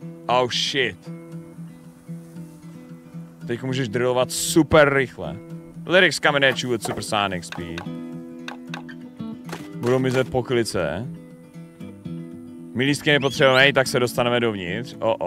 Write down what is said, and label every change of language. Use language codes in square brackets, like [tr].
[en] Oh shit. [cs] Teďko můžeš drillovat super rychle. [en] Lyrics coming at you with supersonic speed. [cs] Budou mizet poklice. My lístky nepotřebujeme, tak se dostaneme dovnitř.